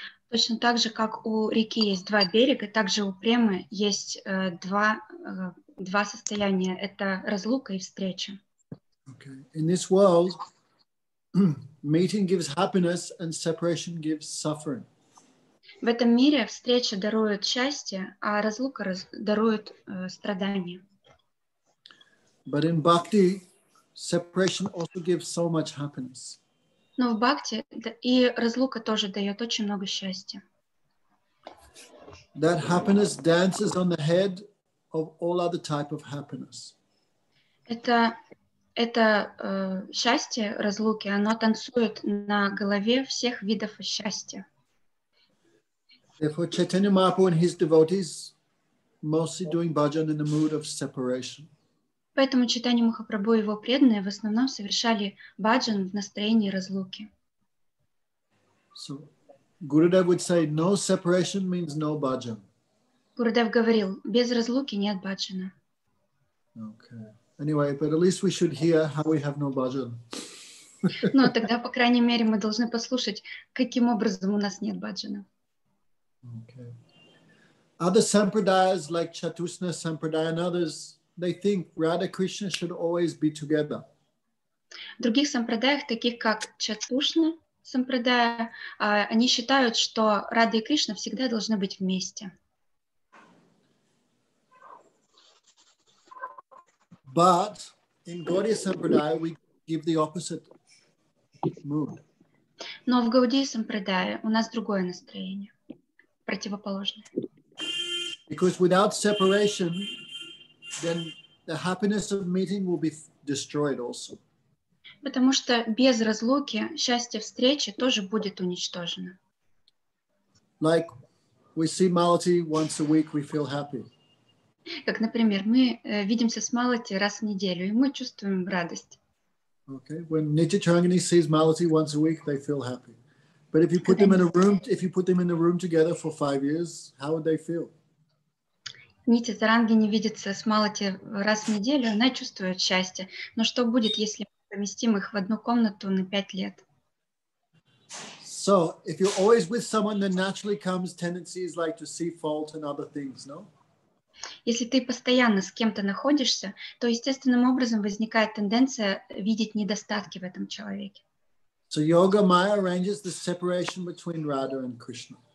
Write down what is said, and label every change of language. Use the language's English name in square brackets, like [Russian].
[Russian] Точно так же, как у реки есть два берега, также у премы есть два состояния. Это разлука и встреча. [English] Okay. In this world, meeting gives happiness and separation gives suffering. [Russian] В этом мире встреча дарует счастье, а разлука дарует страдания. [English] But in bhakti, separation also gives so much happiness. [Russian] Но в бхакти и разлука тоже дает очень много счастья. [English] That happiness dances on the head of all other type of happiness. [Russian] Это счастье разлуки, оно танцует на голове всех видов счастья. [English] Therefore, Chaitanya Mahaprabhu and his devotees mostly doing bhajan in the mood of separation. [Russian] Поэтому Чайтанья Махапрабху и его преданные в основном совершали баджан в настроении разлуки. [English] So, Gurudev would say, no separation means no bhajan. [Russian] Гурудев говорил, без разлуки нет баджана. [English] Okay. Anyway, but at least we should hear how we have no bhajan. [Russian] Но тогда, по крайней мере, мы должны послушать, каким образом у нас нет баджана. [English] Okay. Other sampradayas, like Chatusna Sampradaya and others, they think Radha Krishna should always be together. [Russian] В других сампрадаях, таких как Чатушна сампрадая, они считают, что Радха и Кришна всегда должны быть вместе. [English] But in Gaudiya Sampradaya we give the opposite mood. [Russian] Но в Гаудии сампрадае у нас другое настроение, противоположное. [English] Because without separation, then the happiness of meeting will be destroyed also. [Russian] Потому что без разлуки счастье встречи тоже будет уничтожено. [English] Like we see Malati once a week, we feel happy. [Russian] Как, например, мы видимся с Малати раз в неделю, и мы чувствуем радость. [English] Okay, when Nityachandani sees Malati once a week, they feel happy. But if you put them in a room, if you put them in a room together for 5 years, how would they feel? [Russian] Нити Заранги не видится с Малати раз в неделю, она чувствует счастье. Но что будет, если мы поместим их в одну комнату на 5 лет? [English] So, if you're always with someone, then naturally comes tendencies like to see fault and other things, no? [Russian] Если ты постоянно с кем-то находишься, то естественным образом возникает тенденция видеть недостатки в этом человеке. [English] So, yoga maya arranges the separation between Radha and Krishna.